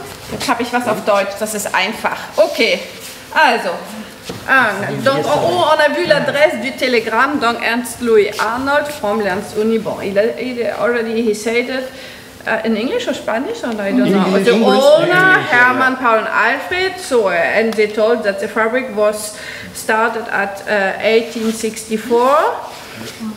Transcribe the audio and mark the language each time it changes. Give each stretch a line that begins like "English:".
German: Jetzt habe ich was auf Deutsch, das ist einfach. Okay, also.
French: Donc, on a vu l'adresse du télégramme, donc Ernst Louis Arnold from Lens Uni.
English: Bon, he said it in English or Spanish, or I don't know. The owner, Hermann, Paul and Alfred, so, and they told that the fabric was started at 1864.